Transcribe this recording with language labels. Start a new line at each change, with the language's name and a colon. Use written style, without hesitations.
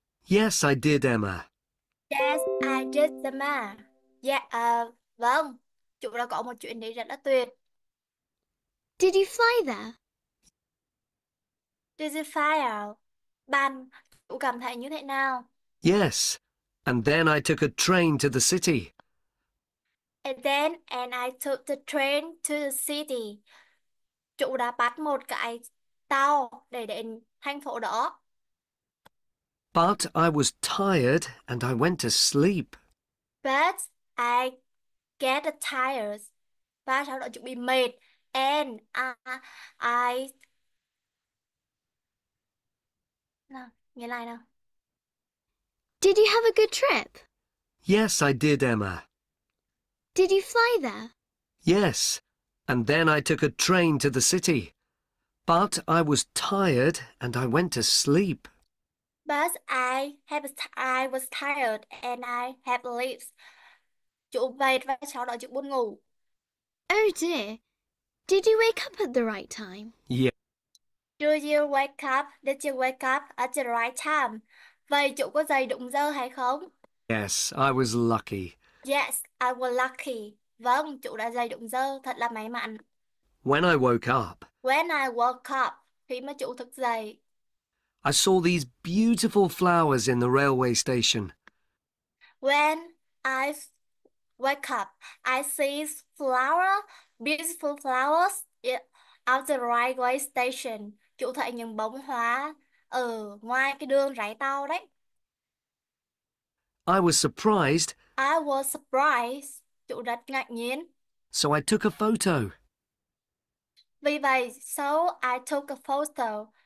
English: Yes, I did, Emma. Yes, I did, Emma. Yeah, vâng.
Vietnamese: Chú đã có một chuyến đi rất là tuyệt.
English: Did you fly there? Did you fly out?
Vietnamese: Bạn cũng cảm thấy như thế nào?
English: Yes, and then I took a train to the city. And I took the train to the city.
Vietnamese: Chú đã bắt một cái tàu để đến thành phố đó.
English: But I was tired and I went to sleep. But I get tired.
Vietnamese: Và sau đó chú bị mệt.
English: And I...
Vietnamese: Nào, nghe lại nào.
English: Did you have a good trip? Yes, I did, Emma. Did you fly there? Yes, and then I took a train to the city. But I was tired and I went to sleep. But I was tired and I had sleeps.
Vietnamese: Chú mệt và sau đó chú buồn ngủ.
English: Oh dear, did you wake up at the right time? Yeah. Did you wake up at the right time?
Vietnamese: Vậy chú có dậy đúng giờ hay không?
English: Yes, I was lucky. Yes, I was lucky.
Vietnamese: Vâng, chú đã dậy đúng giờ, thật là may mắn.
English: When I woke up,
Vietnamese: khi mà chú thức dậy.
English: I saw these beautiful flowers in the railway station. When I wake up, I see beautiful flowers at the railway station.
Vietnamese: Chú thấy những bông hoa ở ngoài cái đường rải tàu đấy.
English: I was surprised I was surprised.
Vietnamese: Chủ đặt ngạc nhiên.
English: So I took a photo.
Vietnamese: Vì vậy,
English: so I took a photo.